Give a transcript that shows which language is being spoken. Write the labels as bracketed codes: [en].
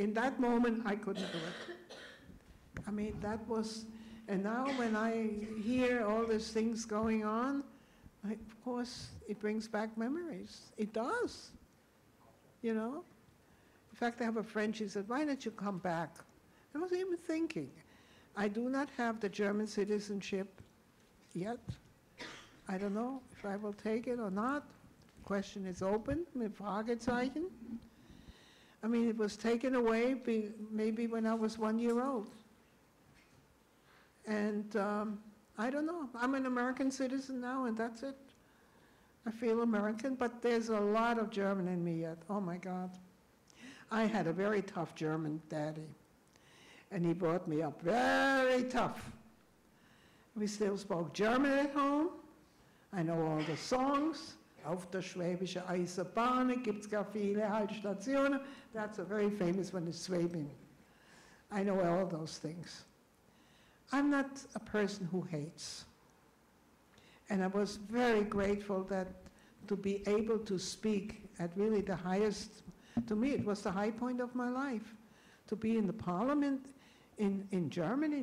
[en] In that moment, I couldn't do it. I mean, that was, and now when I hear all these things going on, of course, it brings back memories. It does, you know? In fact, I have a friend, she said, why don't you come back? I wasn't even thinking. I do not have the German citizenship yet. I don't know if I will take it or not. Question is open, [de] mit Fragezeichen. [en] I mean, it was taken away maybe when I was 1 year old. And I don't know, I'm an American citizen now and that's it. I feel American, but there's a lot of German in me yet. Oh my God. I had a very tough German daddy, and he brought me up very tough. We still spoke German at home. I know all the songs. [de] Auf der Schwäbische Eisenbahn gibt's gar viele Haltestationen. [en] That's a very famous one in Schwabing. I know all those things. I'm not a person who hates. And I was very grateful that to be able to speak at really the highest, to me it was the high point of my life, to be in the parliament in Germany.